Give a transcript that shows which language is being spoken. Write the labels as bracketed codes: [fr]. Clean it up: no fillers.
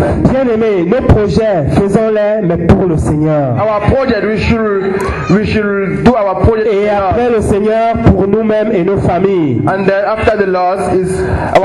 [fr] Bien aimé, nos projets, faisons-les, mais pour le Seigneur. [en] Our project, we should do our project. [fr] Et après le Seigneur, pour nous-mêmes et nos familles. [en] And then after the loss is our